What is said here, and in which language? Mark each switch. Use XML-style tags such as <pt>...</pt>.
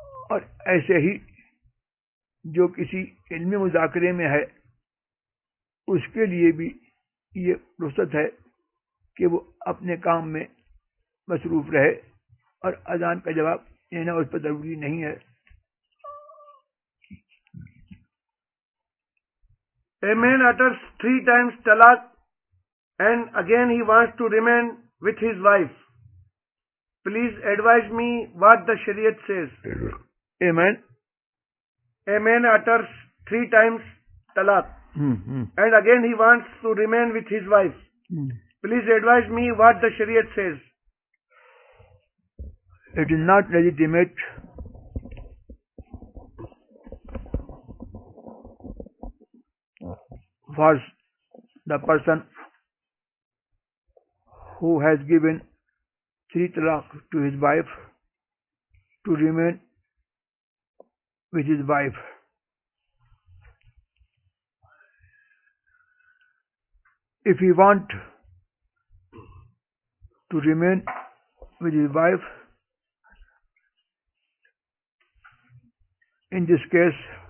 <ur>اور ایسے ہی جو کسی علمی مذاکرے میں ہے اس کے لیے بھی یہ رخصت ہے کہ وہ اپنے کام میں مصروف رہے, اور اذان کا جواب دینا اس پر ضروری نہیں ہے.</ur> <en>A man utters three times talaq and again he wants to remain with his wife. Please advise me what the Shariat says. A man utters three times talaq and again he wants to remain with his wife. Please advise me what the Shariat says. It is not legitimate for the person who has given three talaq to his wife to remain with his wife. If he want to remain with his wife, in this case</en>